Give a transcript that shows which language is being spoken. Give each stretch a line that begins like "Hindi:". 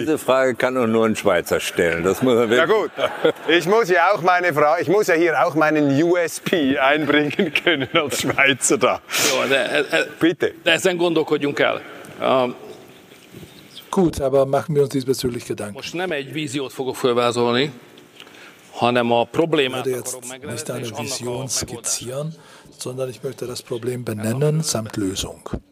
German: Diese Frage kann doch nur ein Schweizer stellen. Das muss er wirklich. Na gut, ich muss ja auch meine Frage, ich muss ja hier auch meinen USP einbringen können als Schweizer da. Bitte. Deswegen
Hungarian: gondolkodjunk el.
German: Gut, aber machen wir uns diesbezüglich Gedanken.
Hungarian: Most nem egy víziót fogok felvázolni. Hanem a problémát akarom megrendelni,
German: nicht eine Vision skizzieren, sondern ich möchte das Problem benennen samt Lösung.